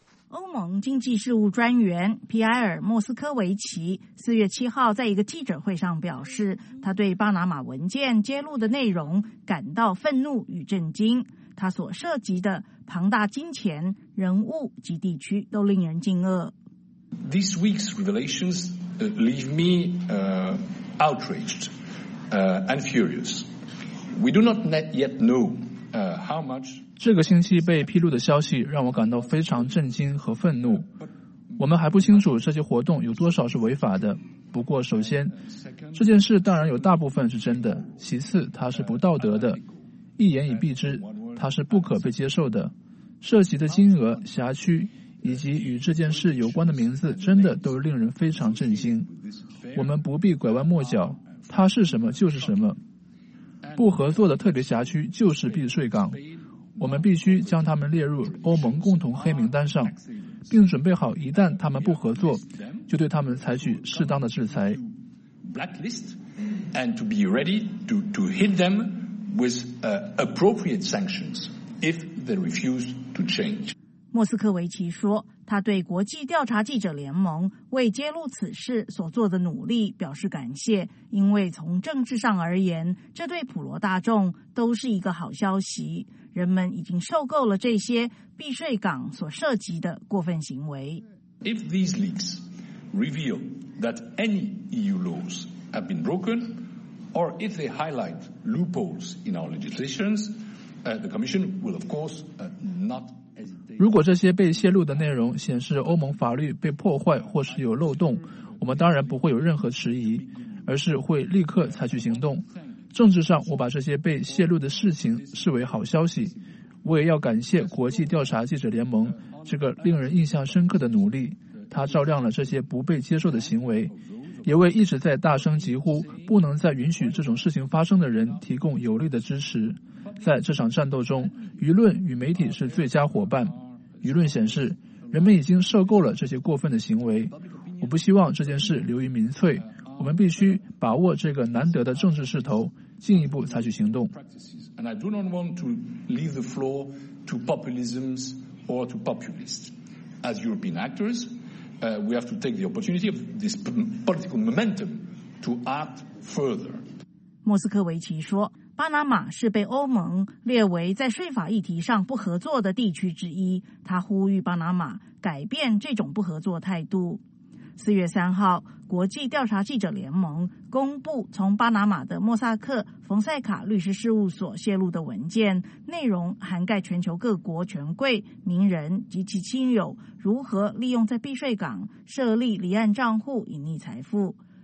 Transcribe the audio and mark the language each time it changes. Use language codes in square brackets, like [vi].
[zh] 欧盟经济事务专员皮埃尔·莫斯科维奇4月7号在一个记者会上表示，他对巴拿马文件揭露的内容感到愤怒与震惊，他所涉及的庞大金钱、人物及地区都令人惊愕。 [en] This week's revelations leave me outraged and furious. We do not yet know how much. [zh] 这个星期被披露的消息让我感到非常震惊和愤怒。我们还不清楚这些活动有多少是违法的。不过，首先，这件事当然有大部分是真的。其次，它是不道德的，一言以蔽之，它是不可被接受的。涉及的金额、辖区以及与这件事有关的名字，真的都令人非常震惊。我们不必拐弯抹角，它是什么就是什么。不合作的特别辖区就是避税港，我们必须将他们列入欧盟共同黑名单上，并准备好一旦他们不合作，就对他们采取适当的制裁。 [en] Blacklist and to be ready to hit them with appropriate sanctions if they refuse to change. [zh] 莫斯科维奇说，他对国际调查记者联盟为揭露此事所做的努力表示感谢，因为从政治上而言，这对普罗大众都是一个好消息。人们已经受够了这些避税港所涉及的过分行为。 [en] If these leaks reveal that any EU laws have been broken, or if they highlight loopholes in our legislations, the Commission will of course not. [zh] 如果这些被泄露的内容显示欧盟法律被破坏或是有漏洞，我们当然不会有任何迟疑，而是会立刻采取行动。政治上，我把这些被泄露的事情视为好消息，我也要感谢国际调查记者联盟这个令人印象深刻的努力，它照亮了这些不被接受的行为，也为一直在大声疾呼不能再允许这种事情发生的人提供有力的支持。在这场战斗中，舆论与媒体是最佳伙伴。舆论显示，人们已经受够了这些过分的行为。我不希望这件事流于民粹，我们必须把握这个难得的政治势头，进一步采取行动。 [en] And I do not want to leave the floor to populisms or to populists. As European actors, we have to take the opportunity of this political momentum to act further. [zh] 莫斯科维奇说，巴拿马是被欧盟列为在税法议题上不合作的地区之一，他呼吁巴拿马改变这种不合作态度。 4月3号，国际调查记者联盟公布从巴拿马的莫萨克·冯塞卡律师事务所泄露的文件，内容涵盖全球各国权贵、名人及其亲友如何利用在避税港设立离岸账户隐匿财富。